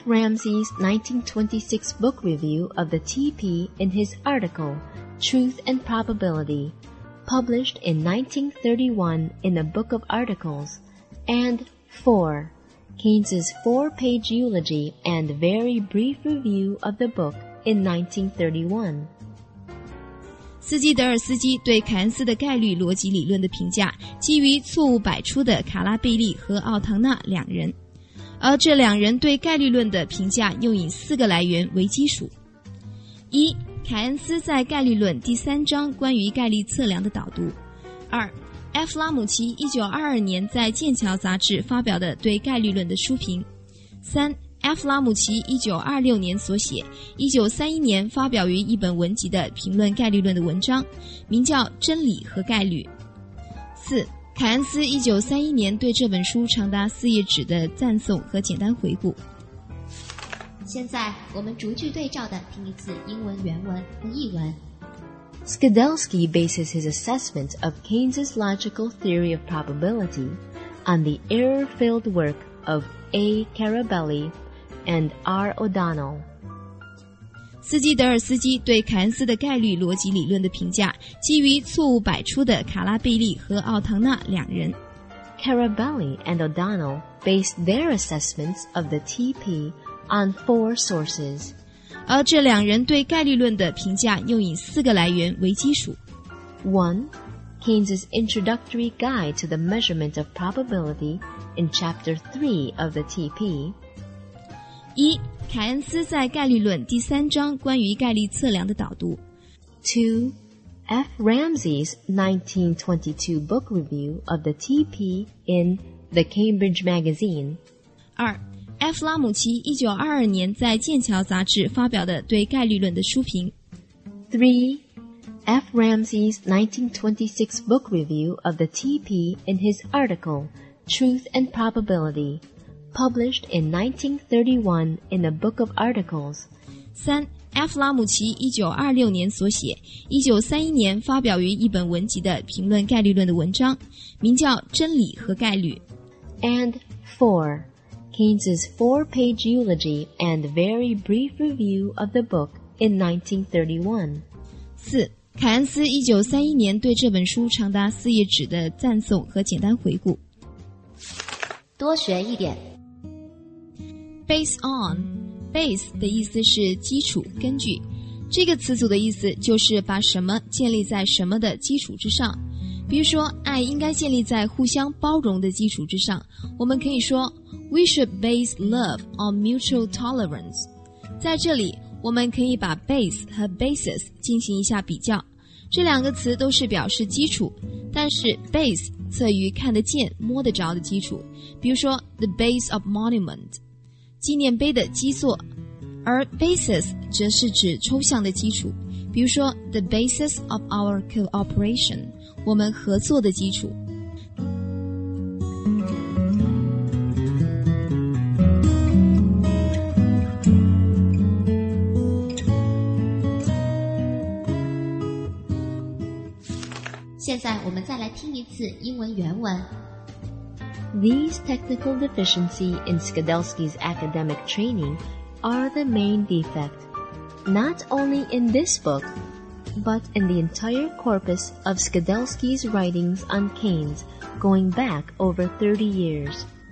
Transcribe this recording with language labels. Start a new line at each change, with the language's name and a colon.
English: Ramsey's 1926 book review of the TP in his article, Truth and Probability, published in 1931 in the Book of Articles. And 4. Keynes's 4-page eulogy and very brief review of the book in 1931.
Chinese: 斯基德尔斯基对凯恩斯的概率逻辑理论的评价基于错误百出的卡拉贝利和奥唐纳两人，而这两人对概率论的评价又以四个来源为基础。一、凯恩斯在概率论第三章关于概率测量的导读。二、F. 拉姆齐1922年在剑桥杂志发表的对概率论的书评。三、F. 拉姆齐1926年所写1931年发表于一本文集的评论概率论的文章，名叫《真理和概率》。四、凯恩斯1931年对这本书长达四页纸的赞颂和简单回顾。现在我们逐句对照的听一次英文原文和译文。
English: Skadelsky bases his assessment of Keynes's logical theory of probability on the error-filled work of A. Carabelliand R. O'Donnell.
Chinese: 斯基德尔斯基对凯恩斯的概率逻辑理论的评价基于错误百出的卡拉贝利和奥唐纳两人。
English: Carabelli and O'Donnell based their assessments of the TP on four sources.
Chinese: 而这两人对概率论的评价又以四个来源为基础。
English: 1. Keynes's Introductory Guide to the Measurement of Probability in Chapter 3 of the TP.
Chinese: 一，凯恩斯在概率论第三章关于概率测量的导读。
English: 2. F. Ramsey's 1922 book review of the TP in The Cambridge Magazine.
Chinese: 二，F. 拉姆齐1922年在剑桥杂志发表的对概率论的书评。
English: 3. F. Ramsey's 1926 book review of the TP in his article Truth and Probability, published in 1931 in a book of articles.
Chinese: 3. F. 拉姆齐1926年所写1931年发表于一本文集的评论概率论的文章，名叫真理和概率。
English: And 4. Keynes's four-page eulogy and very brief review of the book in 1931.
Chinese: 4. 凯恩斯1931年对这本书长达四页纸的赞颂和简单回顾。多学一点。
English: Base on.
Chinese: Base 的意思是基础、根据。这个词组的意思就是把什么建立在什么的基础之上。比如说，爱应该建立在互相包容的基础之上。我们可以说
English: We should base love on mutual tolerance.
Chinese: 在这里，我们可以把 base 和 basis 进行一下比较。这两个词都是表示基础，但是 base 侧于看得见、摸得着的基础，比如说
English: the base of monument,
Chinese: 纪念碑的基座，而 basis 则是指抽象的基础，比如说
English: the basis of our cooperation,
Chinese: 我们合作的基础。现在我们再来听一次英文原文。
English: These technical deficiencies in Skidelsky's academic training are the main defect, not only in this book, but in the entire corpus of Skidelsky's writings on Keynes going back over 30 years.